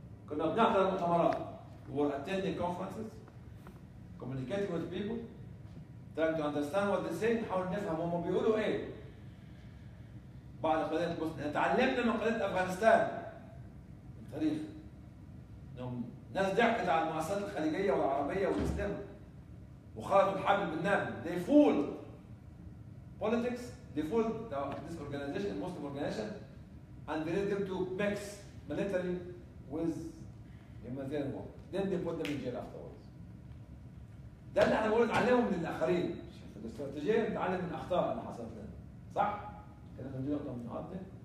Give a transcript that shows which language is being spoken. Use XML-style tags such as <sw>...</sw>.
<ar>كنا بنحضر مؤتمرات.</ar> <en>We're attending conferences, communicating with people, trying to understand what they say,</en> <ar>نحاول نفهم هم بيقولوا إيه. بعد قضية البوسنة، اتعلمنا من قضية أفغانستان. التاريخ. إنهم ناس ضحكت على المؤسسات الخليجية والعربية والإسلام. وخالطوا الحبل بالنابل.</ar> <en>They fooled politics. They fooled this organization, Muslim organization, and they led them to mix military with humanitarian work. Then they put them in jail afterwards.</en> <ar>ده اللي احنا بنقوله نتعلمه من الآخرين. في الاستراتيجية نتعلم من الأخطاء اللي حصلت لنا. صح؟ كانت عندي نقطة من النقاط دي.</ar>